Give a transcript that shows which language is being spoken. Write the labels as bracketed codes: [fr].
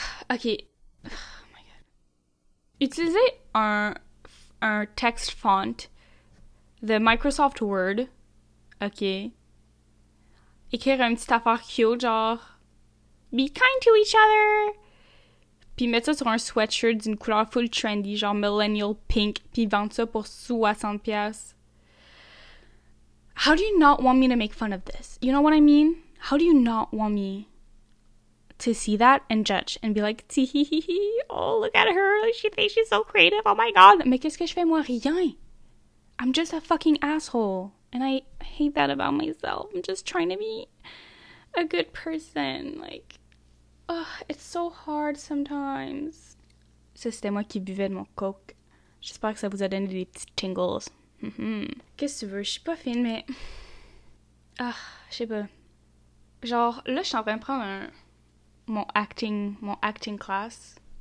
[en] Ok. Oh my god. [fr] Utiliser un [en] text font, the Microsoft Word, ok. [fr] Écrire une petite affaire cute, genre... [en] Be kind to each other! [fr] puis mettre ça sur un sweatshirt d'une couleur full trendy, genre [en] millennial pink, [fr] puis vendre ça pour 60$. [en] How do you not want me to make fun of this? You know what I mean? How do you not want me to see that and judge and be like, oh, look at her. She thinks she's so creative. Oh my God. [fr] Mais qu'est-ce que je fais moi? Rien. [en] I'm just a fucking asshole. And I hate that about myself. I'm just trying to be a good person. Like, oh, it's so hard sometimes. [fr] Ça, c'était moi qui buvais de mon coke. J'espère que ça vous a donné des petits tingles. Qu'est-ce que tu veux? Je suis pas fine, mais... Ah, je sais pas. Genre, là, je suis en train de prendre mon [en] acting class.